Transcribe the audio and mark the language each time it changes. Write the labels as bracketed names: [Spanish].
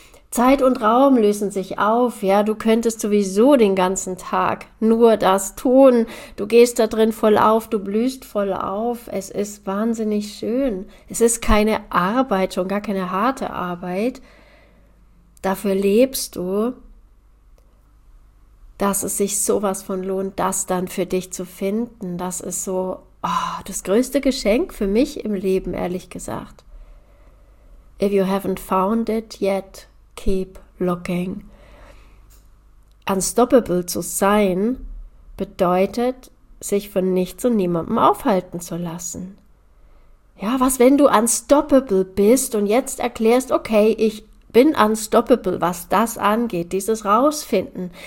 [German] Zeit und Raum lösen sich auf, ja, du könntest sowieso den ganzen Tag nur das tun, du gehst da drin voll auf, du blühst voll auf, es ist wahnsinnig schön, es ist keine Arbeit, schon gar keine harte Arbeit, dafür lebst du, dass es sich sowas von lohnt, das dann für dich zu finden, das ist so das größte Geschenk für mich im Leben, ehrlich gesagt. [English] If you haven't found it yet, keep looking. [German] Unstoppable zu sein bedeutet, sich von nichts und niemandem aufhalten zu lassen. Ja, was, wenn du unstoppable bist und jetzt erklärst, okay, ich bin unstoppable, was das angeht, dieses Rausfinden.